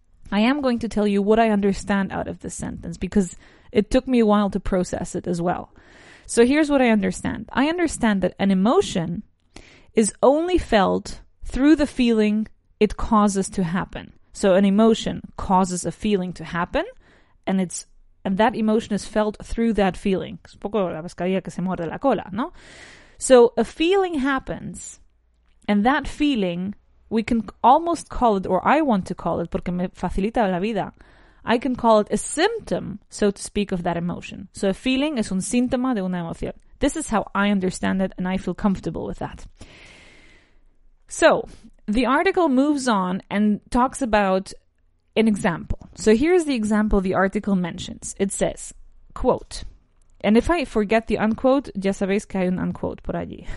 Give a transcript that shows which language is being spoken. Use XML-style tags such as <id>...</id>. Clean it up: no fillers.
<en>I am going to tell you what I understand out of this sentence, because it took me a while to process it as well. So here's what I understand. I understand that an emotion is only felt through the feeling it causes to happen. So an emotion causes a feeling to happen, and it's, and that emotion is felt through that feeling.</en> <es>Es un poco la pescadilla que se muerde la cola, ¿no?</es> <en>So a feeling happens, and that feeling, we can almost call it, or I want to call it,</en> <es>porque me facilita la vida,</es> <en>I can call it a symptom, so to speak, of that emotion. So a feeling</en> <es>es un síntoma de una emoción.</es> <en>This is how I understand it, and I feel comfortable with that. So the article moves on and talks about an example. So here's the example the article mentions. It says, quote, and if I forget the unquote,</en> <es>ya sabéis que hay un unquote por allí.</es>